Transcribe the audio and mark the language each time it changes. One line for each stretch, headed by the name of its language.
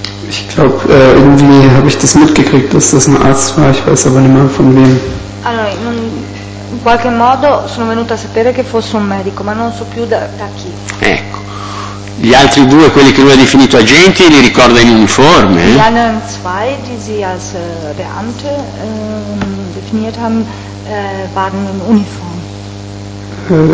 German: Ich glaube, irgendwie habe ich das mitgekriegt, dass das ein Arzt war, ich weiß aber nicht mehr von wem.
Italian: Allora, in qualche modo sono venuta a sapere che fosse un medico, ma non so più da chi. Ecco, gli altri due, quelli che lui ha definito agenti, li ricorda in uniforme?
German: Gli anderen zwei, die sie als Beamte definiert haben, waren in uniform.